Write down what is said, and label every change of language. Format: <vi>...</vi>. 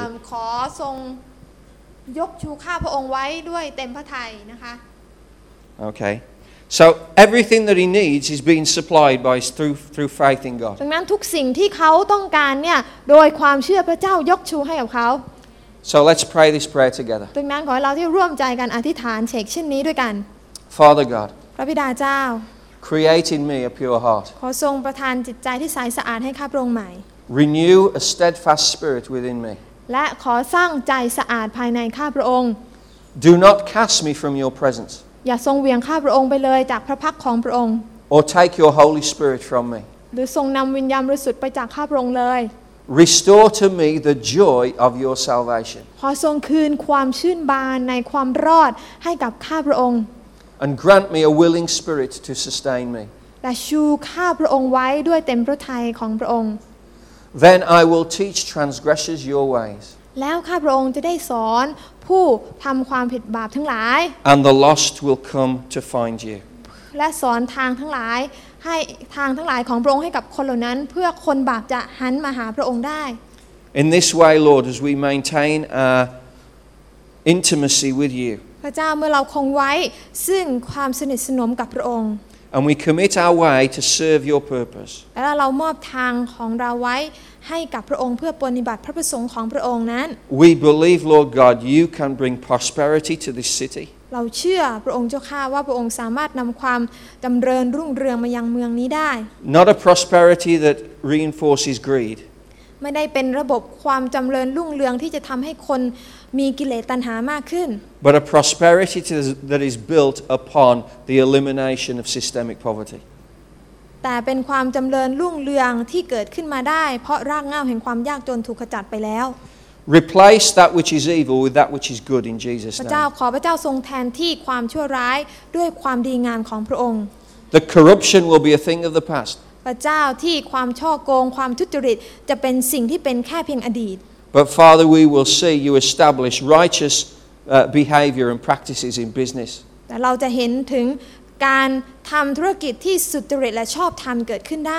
<th>ขอทรงยกชูข้าพระองค์ไว้ด้วยเต็มพระทัยนะคะ</th> <en>Okay. So everything that he needs is being supplied by his through faith in God.</en> <th>ดังนั้นทุกสิ่งที่เขาต้องการเนี่ยโดยความเชื่อพระเจ้ายกชูให้กับเขา</th> <en>So let's pray this prayer together.</en> <th>ดังนั้นขอเราที่ร่วมใจกันอธิษฐานเชกเช่นนี้ด้วยกัน</th> <en>Father God.</en> <th>พระบิดาเจ้า</th> <en>Create in me a pure heart.</en> <th>ขอทรงประทานจิตใจที่ใสสะอาดให้ข้าพระองค์ใหม่</th> <en>Renew a steadfast spirit within me.</en> <th>และขอสร้างใจสะอาดภายในข้าพระองค์</th> <en>Do not cast me from your presence.</en> <th>อย่าทรงเวียงข้าพระองค์ไปเลยจากพระพักของพระองค์</th> <en>Or take your Holy Spirit from me.</en> <th>หรือทรงนำวิญญาณบริสุทธิ์ไปจากข้าพระองค์เลย</th> <en>Restore to me the joy of your salvation.</en> <th>ขอทรงคืนความชื่นบานในความรอดให้กับข้าพระองค์</th> <en>And grant me a willing spirit to sustain me.</en> <th>และชูข้าพระองค์ไว้ด้วยเต็มพระทัยของพระองค์</th> <en>Then I will teach transgressors your ways.</en> <th>แล้วข้าพระองค์จะได้สอนผู้ทำความผิดบาปทั้งหลาย</th> <en>And the lost will come to find you.</en> <th>และสอนทางทั้งหลายให้ทางทั้งหลายของพระองค์ให้กับคนเหล่านั้นเพื่อคนบาปจะหันมาหาพระองค์ได้</th> <en>In this way, Lord, as we maintain our intimacy with you.</en> <th>พระเจ้าเมื่อเราคงไว้ซึ่งความสนิทสนมกับพระองค์</th> <en>And we commit our way to serve your purpose.</en> <th>แล้วเรามอบทางของเราไว้ให้กับพระองค์เพื่อปฏิบัติพระประสงค์ของพระองค์นั้น</th> <en>We believe, Lord God, you can bring prosperity to this city.</en> <th>เราเชื่อพระองค์เจ้าข้าว่าพระองค์สามารถนำความจำเริญรุ่งเรืองมายังเมืองนี้ได้</th> <en>Not a prosperity that reinforces greed.</en> <th>ไม่ได้เป็นระบบความจำเริญรุ่งเรืองที่จะทำให้คนมีกิเลสตัณหามากขึ้น</th> <en>But a prosperity that is built upon the elimination of systemic poverty.</en> <th>แต่เป็นความจำเริญรุ่งเรืองที่เกิดขึ้นมาได้เพราะรากเหง้าแห่งความยากจนถูกขจัดไปแล้ว</th> <en>Replace that which is evil with that which is good in Jesus' name.</en> <th>พระเจ้าขอพระเจ้าทรงแทนที่ความชั่วร้ายด้วยความดีงามของพระองค์</th> <en>The corruption will be a thing of the past.</en> <th>พระเจ้าที่ความฉ้อโกงความทุจริตจะเป็นสิ่งที่เป็นแค่เพียงอดีต</th> <en>But Father, we will see you establish righteous behavior and practices in business.</en> <th>แต่เราจะเห็นถึงการทำธุรกิจที่สุจริตและชอบธรรมเกิดขึ้นได</th>